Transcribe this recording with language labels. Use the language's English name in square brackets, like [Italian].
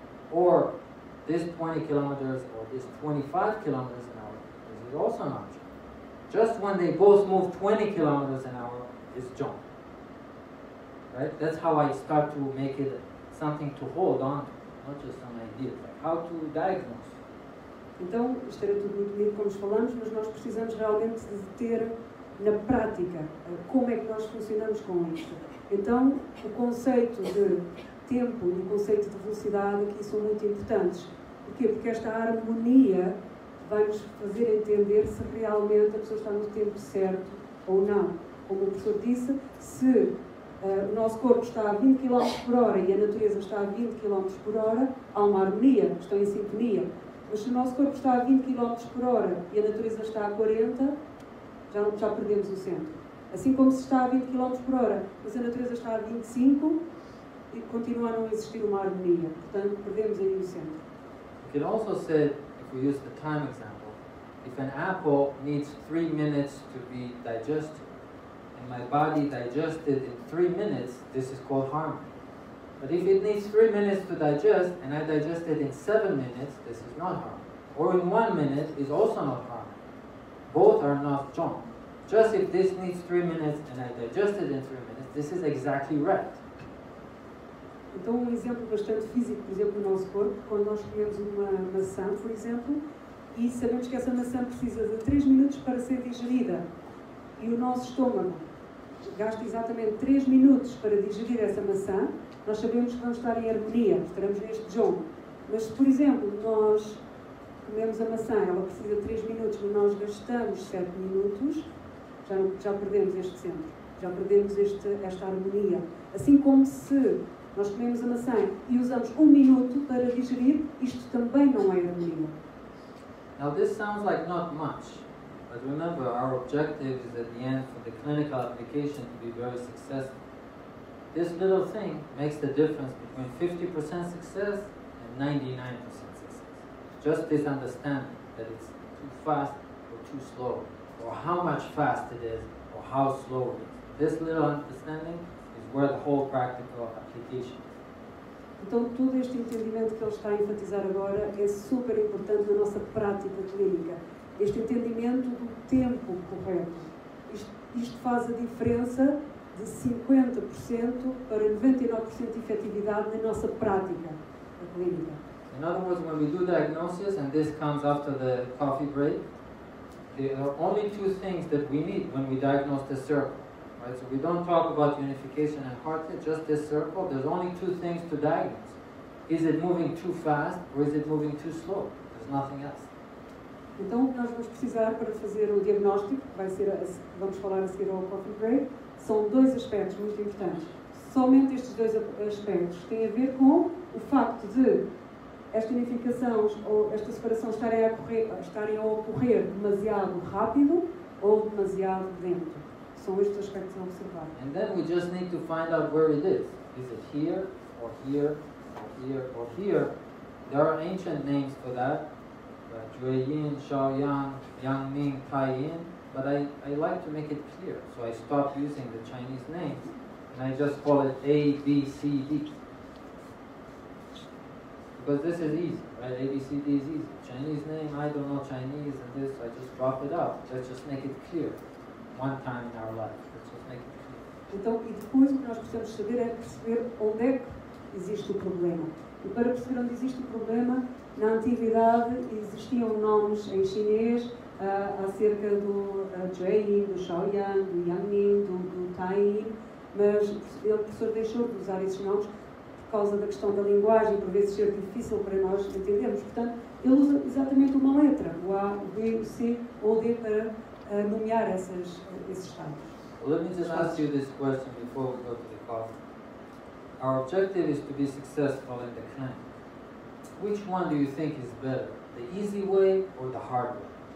[English] Or this 20 kilometers or this 25 kilometers an hour, this is also not wrong. Just when they both move 20 kilometers an hour, it's wrong. Right? That's how I start to make it something to hold on to. Not just some ideas, like how to diagnose. [Portuguese] Então, isto era tudo muito bonito como falamos, mas nós precisamos realmente de ter na prática como é que nós funcionamos com isto. Então, o conceito de tempo e o conceito de velocidade aqui são muito importantes. Porquê? Porque esta harmonia vai-nos fazer entender se realmente a pessoa está no tempo certo ou não. Como o professor disse, se o nosso corpo está a 20 km por hora e a natureza está a 20 km por hora, há uma harmonia, estão em sintonia. Mas se o nosso corpo está a 20 km por hora e a natureza está a 40, já perdemos o centro. Assim como se está a 20 km por hora, mas a natureza está a 25, e continua a não existir uma harmonia. Portanto, perdemos aí o centro. [English] You can also say, if we use the time example, if an apple needs 3 minutes to be digested, my body digested in 3 minutes, this is called harmony. But if it needs 3 minutes to digest and I digest it in 7 minutes, this is not harmony. Or in 1 minute is also not harmony. Both are not junk. Just if this needs 3 minutes and I digest it in 3 minutes, this is exactly right. [Portuguese] Então exemplo bastante físico, por exemplo, no nosso corpo, quando nós comemos uma maçã, por exemplo, e sabemos que essa maçã precisa de 3 minutos para ser digerida. E o nosso estômago gasta exatamente 3 minutos para digerir essa maçã, nós sabemos que vamos estar em harmonia, estaremos neste jogo. Mas se, por exemplo, nós comemos a maçã, ela precisa de 3 minutos, mas nós gastamos 7 minutos, já perdemos este centro, já perdemos esta harmonia. Assim como se nós comemos a maçã e usamos 1 minuto para digerir, isto também não é harmonia. [English] Now this sounds like not much. But remember, our objective is at the end for the clinical application to be very successful. This little thing makes the difference between 50% success and 99% success. Just this understanding that it's too fast or too slow, or how much fast it is, or how slow it is. This little understanding is where the whole practical application is. [Portuguese] Então, todo este entendimento que ele está a enfatizar agora é super importante na nossa prática clínica. Este entendimento do tempo correto. Isto faz a diferença de 50% para 99% de efetividade na nossa prática clínica. [English] In other words, when we do diagnosis, and this comes after the coffee break, there are only two things that we need when we diagnose the circle, Right? So we don't talk about unification and heart rate, just this circle. There's only two things to diagnose. Is it moving too fast or is it moving too slow? There's nothing else. [Portuguese] Então, o que nós vamos precisar para fazer o diagnóstico, que vai ser a, vamos falar a seguir ao coffee break, são dois aspectos muito importantes. Somente estes dois aspectos têm a ver com o facto de esta unificação ou esta separação estarem a ocorrer demasiado rápido ou demasiado lento. São estes aspectos a observar. [English] And then we just need to find out where it is. Is it here, or here, or here, or here? There are ancient names for that. Juyin, Shaoyang, Yangming, Taiyin, but I like to make it clear, so I stop using the Chinese names, and I just call it A, B, C, D. Because this is easy, right? A, B, C, D is easy. Chinese name, I don't know Chinese, and this, I just drop it out. Let's just make it clear, one time in our life. Let's just make it clear. [Portuguese] Então, e depois o que nós precisamos saber é perceber onde é que existe o problema. E para perceber onde existe o problema, na antiguidade existiam nomes em chinês acerca do Jui, do Shaoyang, do Yangming, do Taiyin, mas o professor deixou de usar esses nomes por causa da questão da linguagem, por vezes ser difícil para nós entendermos. Portanto, ele usa exatamente uma letra, o A, o B, o C ou o D, para nomear esses estados. [English] Well, let me just ask you this question before we go to the coffee. Our objective is to be successful in the clinic. Which one do you think is better, the easy way or the hard way?